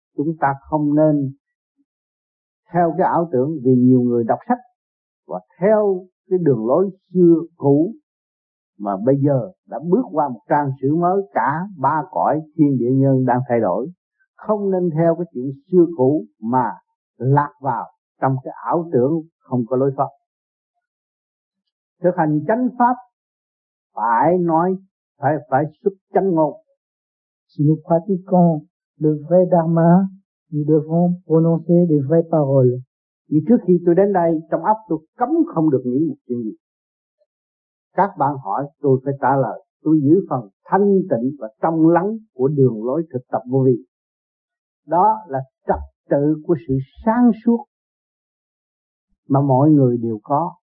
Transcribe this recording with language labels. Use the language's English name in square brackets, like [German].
[Vietnamese] Chúng ta không nên theo cái ảo tưởng, vì nhiều người đọc sách và theo cái đường lối xưa cũ mà bây giờ đã bước qua một trang sử mới, cả ba cõi thiên địa nhân đang thay đổi. Không nên theo cái chuyện xưa cũ mà lạc vào trong cái ảo tưởng không có lối thoát. Thực hành chánh pháp phải nói, phải xuất chân ngôn. [French] Si nous pratiquons le vrai dharma, nous devons prononcer les vraies paroles. [Vietnamese] Vì trước khi tôi đến đây, trong óc tôi cấm không được nghĩ một chuyện gì. Các bạn hỏi, tôi phải trả lời, tôi giữ phần thanh tịnh và trong lắng của đường lối thực tập vô vi. Đó là trật tự của sự sáng suốt mà mọi người đều có.